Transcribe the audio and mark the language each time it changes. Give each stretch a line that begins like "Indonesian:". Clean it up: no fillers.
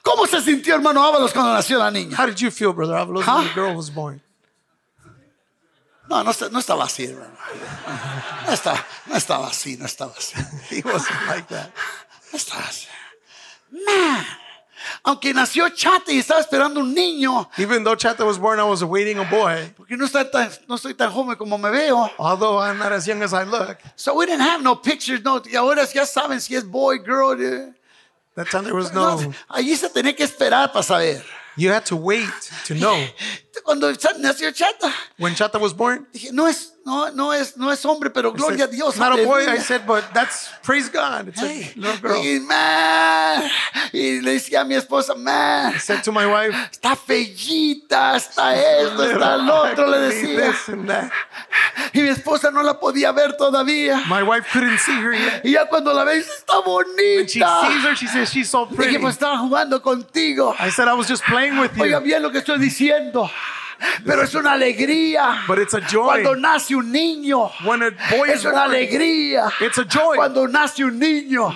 Spanish: ¿Cómo se sintió hermano Ábalos cuando nació la niña?
English: How did you feel, brother Ábalos, when the girl was born?
Spanish: No estaba así, hermano. No estaba así.
English: He wasn't like that.
Spanish: No estaba así. Man, aunque nació Chata y estaba esperando un niño.
English: Even though Chata was born, I was awaiting a boy.
Spanish: Porque no soy tan joven como me veo.
English: Although I'm not as young as I look. So we didn't have no pictures.
Spanish: No, ahora ya saben si es
English: boy, girl. That time there was no.
Spanish: Allí se tenía que esperar para saber.
English: You had to wait to know.
Spanish: Cuando nació Chata.
English: When Chata was born.
Spanish: Dije, no es hombre, pero gloria a Dios.
English: Not a boy, I said, but that's praise God. It's hey, a little girl.
Spanish: Y, man, y le decía a mi esposa, man.
English: I said to my wife.
Spanish: Está fellita, está esto, está el otro, le decía.
English: This and that.
Spanish: Y mi esposa no la podía ver todavía.
English: My wife couldn't see her yet.
Spanish: Y ya cuando la ve, está bonita.
English: When she sees her, she says she's so pretty.
Spanish: Dije, pues estaba jugando contigo.
English: I said I was just playing with you.
Spanish: Oiga bien lo que estoy diciendo. Pero es una alegría.
English: But it's a joy.
Spanish: Cuando nace un niño.
English: When a boy
Spanish: es una
English: born,
Spanish: alegría.
English: It's a joy.
Spanish: Cuando nace un niño.